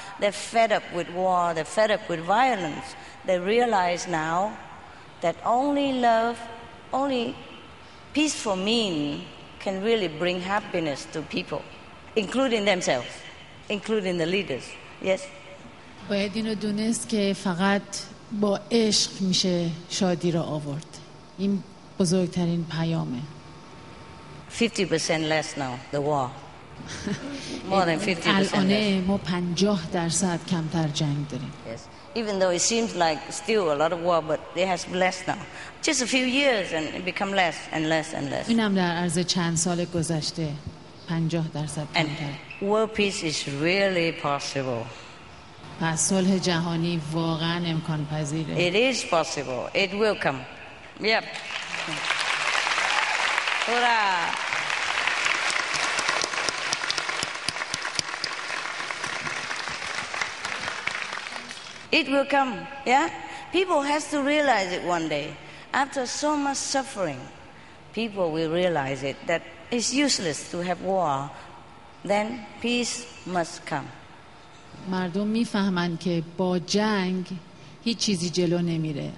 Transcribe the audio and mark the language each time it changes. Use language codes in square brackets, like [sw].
[en] They're fed up with war. They're fed up with violence. They realize now that only love, only peaceful mean can really bring happiness to people, including themselves, including the leaders. Yes? [fa] باید اینو دونست که فقط با عشق میشه شادی را آورد. این بزرگترین پیامه. [en] 50% less now, the war. More than 50% less. Yes. Even though it seems like still a lot of war, but it has less now. Just a few years and it become less and less and less. [fa] اینم در عرض چند سال گذشته 50% کمتر. [en] World peace is really possible. [fa] پس صلح جهانی واقعا امکان پذیره. [en] It is possible. It will come. Yep. Hurra. It will come, yeah? People have to realize it one day. After so much suffering, people will realize it, that it's useless to have war. Then peace must come. [fa] مردم میفهمن که با جنگ هیچ چیزی جلو نمیره.